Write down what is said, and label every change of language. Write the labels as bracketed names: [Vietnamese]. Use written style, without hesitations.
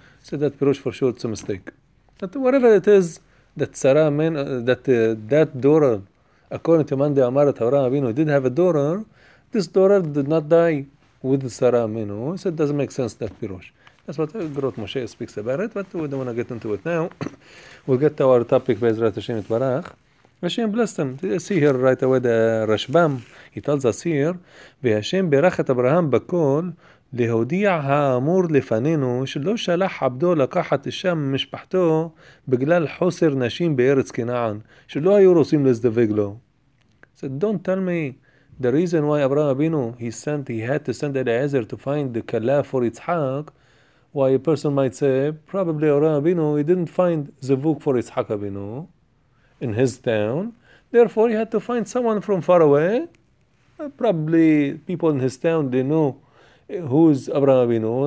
[English] So that Pirush for sure, it's a mistake. But whatever it is, that Sarah, that daughter, according to Mandi Amar, that Abraham Avinu did have a daughter, this daughter did not die with Sarah Avinu. So it doesn't make sense, that Pirush. That's what Grot Moshe speaks about it, but we don't want to get into it now. We'll get to our topic, Be'ezrat Hashem Yitbarach. Hashem blessed him. See here right away the Rashbam. He tells us here, Be'Hashem berachet Abraham bakol, [Hebrew] להודיע האמור לפנינו שלא שלח עבדו לקחת אישה ממשפחתו בגלל חוסר נשים בארץ כנען, שלא היו רוצים להזדווג לו. [English] So don't tell me the reason why Abraham Avinu, he had to send Eliezer to find the kala for Yitzhak, why a person might say, probably Abraham Avinu, he didn't find zivug for Yitzhak Avinu in his town, therefore he had to find someone from far away, probably people in his town, they know who's Abraham Avinu?